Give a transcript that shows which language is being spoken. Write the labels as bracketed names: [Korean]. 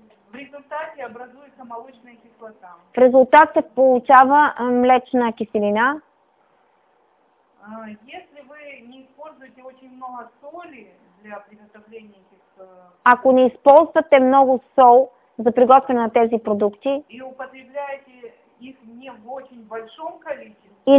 [Russian] В резултате образуется молочная кислота. [Bulgarian] В резултат се получава млечна киселина. [Russian] Если вы не используете очень много соли для приготовления этих... [Bulgarian] Ако не използвате много сол за приготвяне на тези продукти [Russian] и употребляете их не в очень большом количестве,